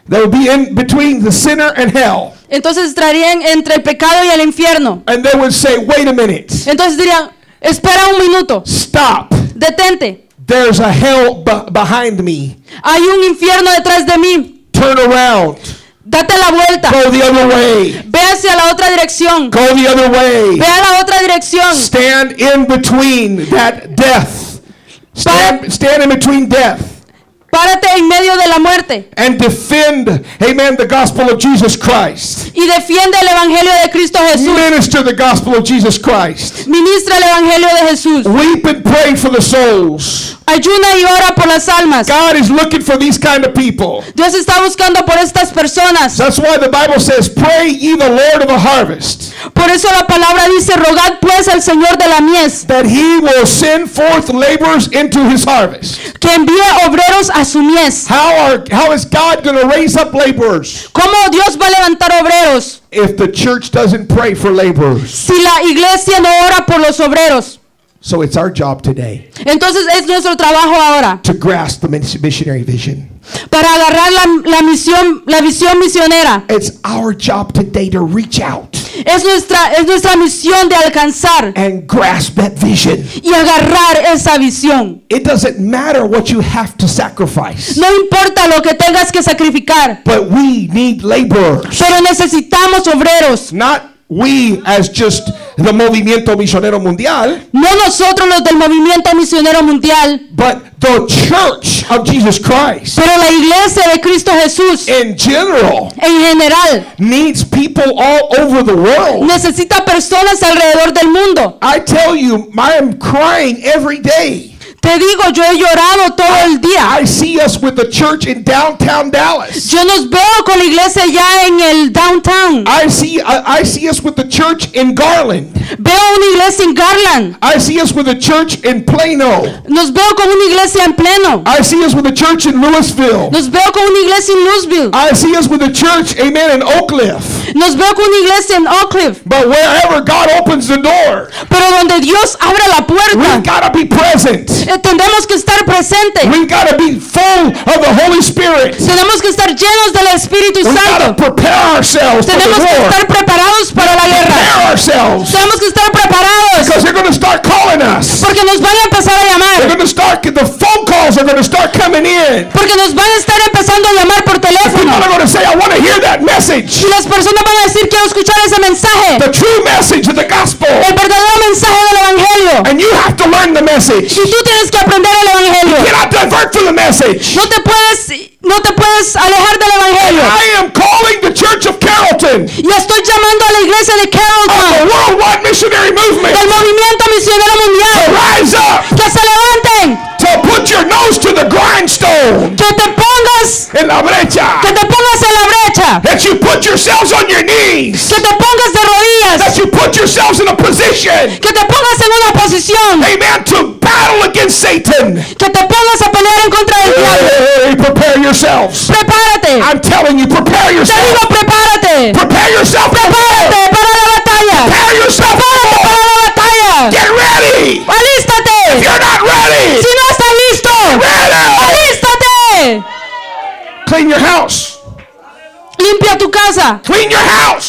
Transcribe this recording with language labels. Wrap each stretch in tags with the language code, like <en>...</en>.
<en>They would be in between the sinner and hell.</en> <es>Entonces estarían entre el pecado y el infierno.</es> <en>And they would say, wait a minute.</en> <es>Entonces dirían, espera un minuto.</es> <en>Stop.</en> <es>Detente.</es> <en>There's a hell behind me.</en> <es>Hay un infierno detrás de mí.</es> <en>Turn around.</en> <es>Date la vuelta.</es> <en>Go the other way.</en> <es>Ve hacia la otra dirección.</es> <en>Go the other way.</en> <es>Ve a la otra dirección.</es> <en>Stand in between that death. Stand in between death.</en> <es>Párate en medio de la muerte.</es> <en>And defend, amen, the gospel of Jesus Christ.</en> <es>Y defiende el evangelio de Cristo Jesús.</es> <en>Minister the gospel of Jesus Christ.</en> <es>Ministra el evangelio de Jesús.</es> <en>Weep and pray for the souls.</en> <es>Ayuna y ora por las almas.</es> <en>God is looking for these kind of people.</en> <es>Dios está buscando por estas personas.</es> <en>That's why the Bible says, "Pray ye the Lord of the harvest."</en> <es>Por eso la palabra dice, "Rogad pues al Señor de la mies."</es> <en>That He will send forth laborers into His harvest.</en> <es>Que envíe obreros a su mies.</es> <en>How is God going to raise up laborers?</en> <es>¿Cómo Dios va a levantar obreros?</es> <en>If the church doesn't pray for laborers.</en> <es>Si la iglesia no ora por los obreros.</es> <en>So it's our job today.</en> <es>Entonces es nuestro trabajo ahora.</es> <en>To grasp the missionary vision.</en> <es>Para agarrar la visión misionera.</es> <en>It's our job today to reach out.</en> <es>Es nuestra misión de alcanzar.</es> <en>And grasp that vision.</en> <es>Y agarrar esa visión.</es> <en>It doesn't matter what you have to sacrifice.</en> <es>No importa lo que tengas que sacrificar.</es> <en>But we need laborers.</en> <es>Pero necesitamos obreros.</es> <en>Not we as just the Movimiento Misionero Mundial.</en> <es>No nosotros los del Movimiento Misionero Mundial.</es> <en>But the Church of Jesus Christ.</en> <es>Pero la Iglesia de Cristo Jesús.</es> <en>In general.</en> <es>En general.</es> <en>Needs people all over the world.</en> <es>Necesita personas alrededor del mundo.</es> <en>I tell you, I am crying every day.</en> <es>Te digo, yo he llorado todo el día.</es> <en>I see us with the church in downtown Dallas.</en> <es>Yo nos veo con la iglesia ya en el downtown.</es> <en>I see us with the church in Garland.</en> <es>Veo una iglesia en Garland.</es> <en>I see us with the church in Plano.</en> <es>Nos veo con una iglesia en Plano.</es> <en>I see us with the church in Louisville.</en> <es>Nos veo con una iglesia en Louisville.</es> <en>I see us with the church, amen, in Oak Cliff.</en> <es>Nos veo con una iglesia en Oak Cliff.</es> <en>But wherever God opens the door.</en> <es>Pero donde Dios abre la puerta.</es> <en>We gotta be present.</en> <es>Tenemos que estar presente.</es> <en>We gotta be full of the Holy Spirit.</en> <es>Tenemos que estar llenos del Espíritu Santo.</es> <en>We gotta prepare ourselves.</en> <es>Tenemos que estar preparados para la guerra.</es> <en>Prepare ourselves.</en> <es>Tenemos que estar preparados.</es> <en>Because they're gonna start calling us.</en> <es>Porque nos van a empezar a llamar.</es> <en>They're gonna start, the phone calls are gonna start coming in.</en> <es>Porque nos van a estar empezando a llamar por teléfono.</es> <en>People are gonna say, "I want to hear that message."</en> <es>Y las personas van a decir, "Quiero escuchar ese mensaje."</es> <en>The true message of the gospel.</en> <es>El verdadero mensaje del evangelio.</es> <en>And you have to learn the message.</en> <es>Tienes que aprender el evangelio.</es> <en>You cannot divert from the message.</en> <es>No te puedes alejar del evangelio.</es> <en>I am calling the Church of Carrollton.</en> <es>Y estoy llamando a la iglesia de Carrollton.</es> <en>Of the worldwide missionary movement.</en> <es>Del movimiento misionero mundial.</es> <en>To rise up.</en> <es>Que se levanten.</es> <en>To put your nose to the grindstone.</en> <es>Que te pongas en la brecha. Que te pongas en la brecha.</es> <en>That you put yourselves on your knees.</en> <es>Que te pongas de rodillas.</es> <en>That you put yourselves in a position.</en> <es>Que te pongas en una posición.</es> <en>Amen. To battle against Satan.</en> <es>Que te pongas a pelear en contra del diablo.</es> <en>Hey, prepare yourselves.</en> <es>Prepárate.</es> <en>I'm telling you, prepare yourself.</en> <es>Te digo, prepárate.</es> <en>Prepare yourself.</en> <es>Prepárate para la batalla.</es> <en>Prepare yourself.</en> <es>Prepárate para la batalla.</es> <en>Get ready.</en> <es>Alístate.</es> <en>If you're not ready.</en> <es>Si no estás listo.</es> <en>Ready.</en> <es>Alístate.</es> <en>Clean your house.</en> <es>Limpia tu casa.</es> <en>Clean your house.</en>